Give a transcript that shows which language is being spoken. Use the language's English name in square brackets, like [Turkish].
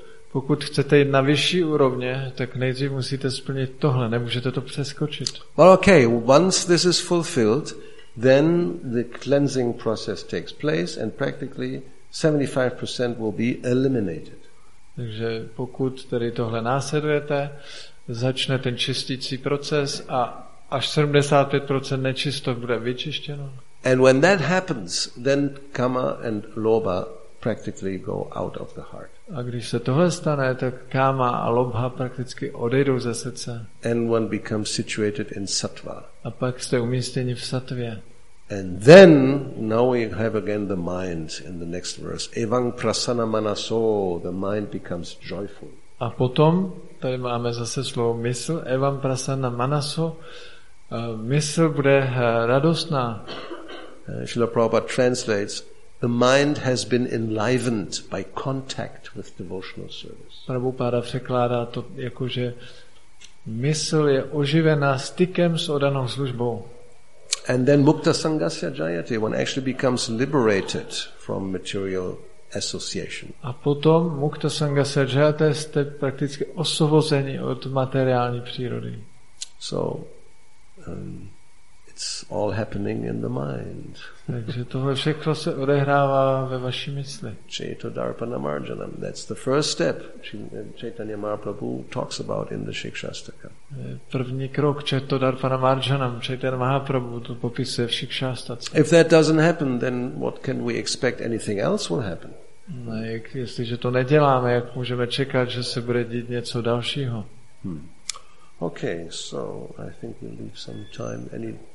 [Czech] Pokud chcete jít na vyšší úrovně, tak nejdřív musíte splnit tohle, nemůžete to přeskočit. [English] Well, okay, once this is fulfilled, then the cleansing process takes place and practically 75% will be eliminated. [Czech] Takže pokud tady tohle následujete, začne ten čistící proces a až 75% nečistot bude vyčištěno. [English] And when that happens, then kama and lobha practically go out of the heart. [Czech] A když se tohle stane, tak káma a lobha prakticky odejdou ze srdce. [English] And one becomes situated in sattva. [Czech] A pak jste umístěni v sattvě. [English] And then now we have again the mind in the next verse. [Sanskrit] Evang prasana manaso, [English] the mind becomes joyful. [Czech] A potom tady máme zase slovo mysl, [Sanskrit] evang prasana manaso, [Czech] mysl bude radostná. [English] Srila Prabhupada translates, the mind has been enlivened by contact with devotional service. [Czech] Prabhupada překládá to jako, že mysl je oživena stykem s oddanou službou. [English] And then [Sanskrit] mukta sangasya jayate, [English] one actually becomes liberated from material association. [Czech] A potom [Sanskrit] mukta sangasya jayate, [Czech] jste prakticky osvobozeni od materiální přírody. [English] So it's all happening in the mind. [Czech] Takže tohle všechno se odehrává ve vaší mysli. [Sanskrit] Chaito darpana marjanam, [English] that's the first step. Chaitanya Mahaprabhu talks about in the Shikshastaka. [Czech] První krok [Sanskrit] chaito darpana marjanam, [Czech] Chaitanya Mahaprabhu to popisuje v Shikshastace. [English] If that doesn't happen, then what can we expect anything else will happen? [Czech] No, jestliže to neděláme, jak můžeme čekat, že se bude dít něco dalšího? [English] Okay, so I think we'll leave some time.